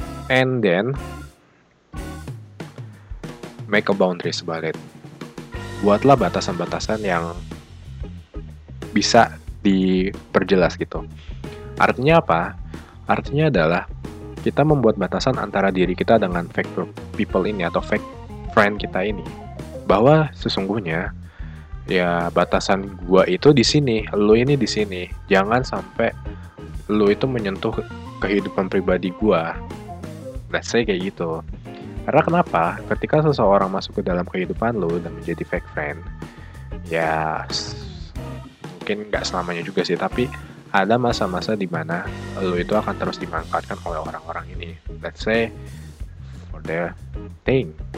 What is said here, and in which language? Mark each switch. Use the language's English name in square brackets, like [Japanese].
[English] And then make a boundary about it. [Indonesian] Buatlah batasan-batasan yang bisa diperjelas gitu. Artinya apa? Artinya adalah kita membuat batasan antara diri kita dengan fake people ini atau fake friend kita ini. Bahwa sesungguhnya ya batasan gua itu di sini, lu ini di sini. Jangan sampai lu itu menyentuh kehidupan pribadi gua. [English] Let's say [Indonesian] kayak gitu. Karena kenapa ketika seseorang masuk ke dalam kehidupan lo dan menjadi fake friend, ya mungkin gak selamanya juga sih, tapi ada masa-masa di mana lo itu akan terus dimanfaatkan oleh orang-orang ini. [English] Let's say for their thing.